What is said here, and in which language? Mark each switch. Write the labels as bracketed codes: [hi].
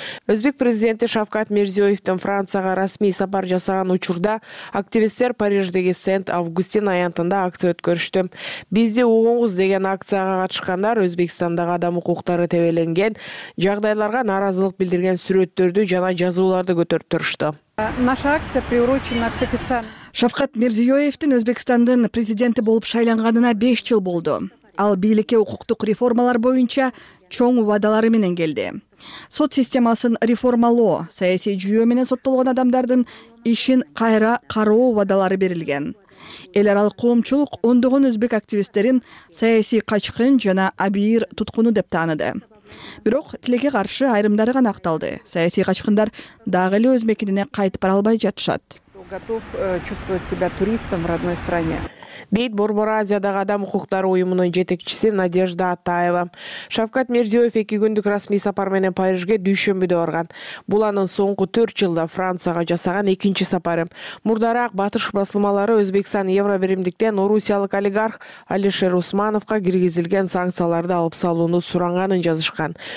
[ky] Өзбек президенти Шавкат Мирзиёевдин Францияга расмий сапар жасаган учурда активисттер Париждеги Сент-Августин аянтында акция өткөрүштү. Бизди угуңуз деген акцияга катышкандар Өзбекстандагы адам укуктары тебеленген жагдайларга нааразылык билдирген сүрөттөрдү жана жазууларды көтөрүп турушту. [ru] Наша акция приурочена к официальному. [ky] Шавкат Мирзиёевдин Өзбекстандын президенти болуп шайланганына 5 жыл болду. Ал бийликке укуктук реформалар боюнча чоң убадалары менен келди. Сот системасын реформалоо, саясий жүйө менен соттолгон адамдардын ишин кайра кароо убадалары берилген. Эл аралык коомчулук ондогон өзбек активисттерин саясий качкын жана абийир туткуну деп тааныды. Бирок тилекке каршы айрымдары гана акталды. Саясий качкындар дагы эле өз мекенине кайтып бара албай жатышат. [ru] Готов чувствовать себя туристом в родной стране. [ky] Дейт Борбор Азиядагы адам укуктары уюмунун жетекчиси Надежда Атаева. Шавкат Мирзиёев 2 күндүк расмий сапар менен Парижге дүйшөмбүдө барган. Бул анын соңку 4 жылда Францияга жасаган 2-сапары. Мурдараак батыш басылмалары Өзбекстан евробиримдиктен орусиялык олигарх Алишер Усмановго киргизилген санкцияларды алып салууну суранганын жазышкан.